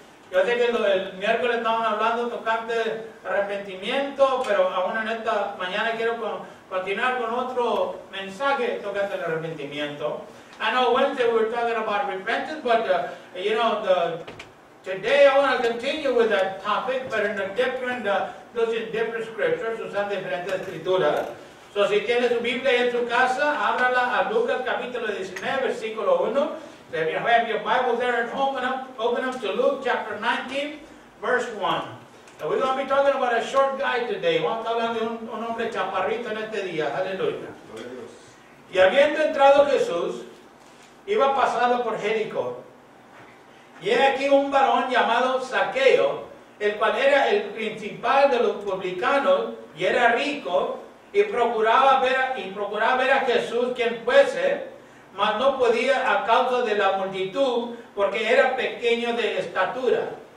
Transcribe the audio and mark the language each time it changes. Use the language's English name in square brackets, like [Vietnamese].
[Spanish] Yo sé que el miércoles estaban hablando tocante arrepentimiento, pero aún en esta mañana quiero continuar con otro mensaje tocante el arrepentimiento. [English] I know Wednesday we were talking about repentance, but you know, today I want to continue with that topic, but in a different, different scriptures, [Spanish] usan diferentes escrituras. So si tiene su Biblia en su casa, ábrala a Lucas capítulo 19, versículo 1. [English] If you have your Bible there at home, open up to Luke chapter 19, verse 1. And we're going to be talking about a short guy today. [Spanish] Vamos a estar hablando de un hombre chaparrito en este día. Aleluya. Y habiendo entrado Jesús, iba pasando por Jericó. Y he aquí un varón llamado Zaqueo, el cual era el principal de los publicanos, y era rico, y procuraba ver a Jesús quien fuese, mas no podía a causa de la multitud, porque era pequeño de estatura.